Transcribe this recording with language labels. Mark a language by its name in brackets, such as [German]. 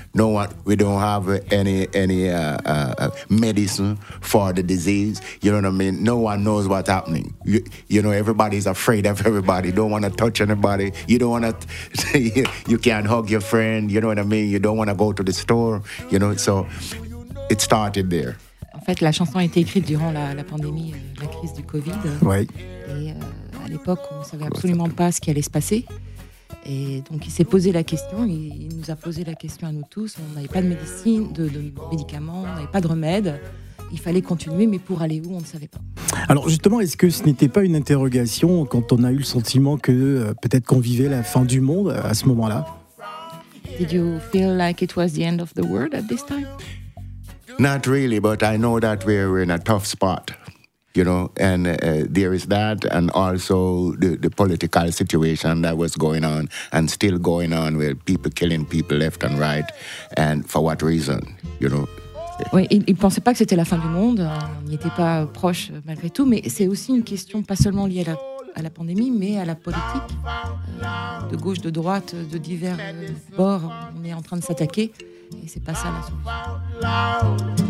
[English] No one, we don't have any medicine for the disease. You know what I mean? No one knows what's happening. You know, everybody's afraid of everybody. Don't want to touch anybody. You don't want to, you can't hug your friend. You know what I mean? You don't want to go to the store. You know, so it started there. [French] En fait, la chanson a été écrite durant la pandémie, la crise du Covid. Oui. Et à l'époque, on ne savait absolument pas ce qui allait se passer. Et donc, il s'est posé la question, il nous a posé la question à nous tous. On n'avait pas de médecine, de médicaments, on n'avait pas de remède. Il fallait continuer, mais pour aller où, on ne savait pas. Alors justement, est-ce que ce n'était pas une interrogation quand on a eu le sentiment que peut-être qu'on vivait la fin du monde à ce moment-là? [English] Did you feel like it was the end of the world at this time? Not really, but I know that we're in a tough spot. You know, and there is that, and also the political situation that was going on and still going on, with people killing people left and right, and for what reason, you know? [French] Oui, il ne pensait pas que c'était la fin du monde. On n'y était pas proche malgré tout, mais c'est aussi une question pas seulement liée à la pandémie, mais à la politique de gauche, de droite, de divers bords. On est en train de s'attaquer, et c'est pas ça la solution.